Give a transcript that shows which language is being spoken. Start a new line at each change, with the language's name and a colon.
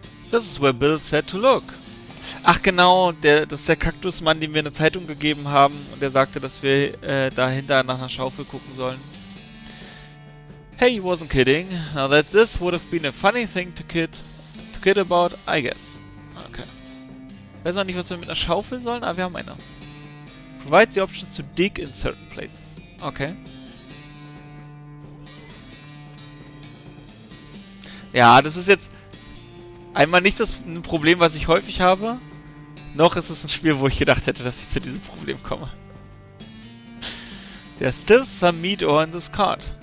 English: This is where Bill said to look.
German: Ach genau, das ist der Kaktusmann, den wir in der Zeitung gegeben haben und der sagte, dass wir dahinter nach einer Schaufel gucken sollen.
English: Hey, wasn't kidding. Now that this would have been a funny thing to kid about, I guess. Okay.
German: Weiß noch nicht, was wir mit einer Schaufel sollen, aber wir haben eine.
English: Provides the option to dig in certain places.
German: Okay. Ja, das ist jetzt einmal nicht das Problem, was ich häufig habe. Noch ist es ein Spiel, wo ich gedacht hätte, dass ich zu diesem Problem komme.
English: There's still some meat ore in this card.